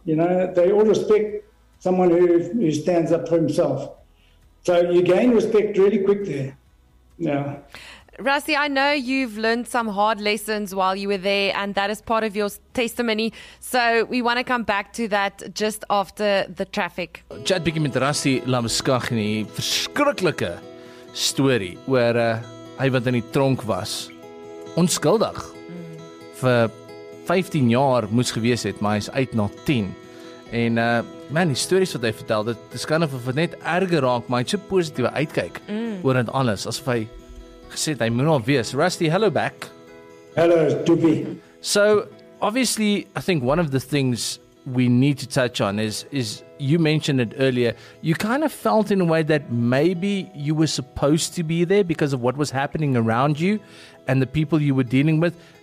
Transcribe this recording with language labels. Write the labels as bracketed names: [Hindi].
[English] You know, they all respect someone who stands up for himself. So you gain respect really quick there. Yeah. Rusty, I know you've learned some hard lessons while you were there, and that is part of your testimony. So we want to come back to that just after the traffic. [Afrikaans] Chat bietjie met Rusty Lamskagni, verskriklike story oor hy wat in die tronk was, onskuldig, vir 15 jaar moes gewees het, maar hy is uit na 10. En man, die stories wat hy vertel, dit is [English] kind of [Afrikaans] wat net erger raak, maar hy het so positieve uitkyk oor het alles, asof hy gesê het, hy moet al wees. [English] Rusty, hello back. Hello, Toby. So, obviously, I think one of the things we need to touch on is you mentioned it earlier, you kind of felt in a way that maybe you were supposed to be there because of what was happening around you and the people you were dealing with.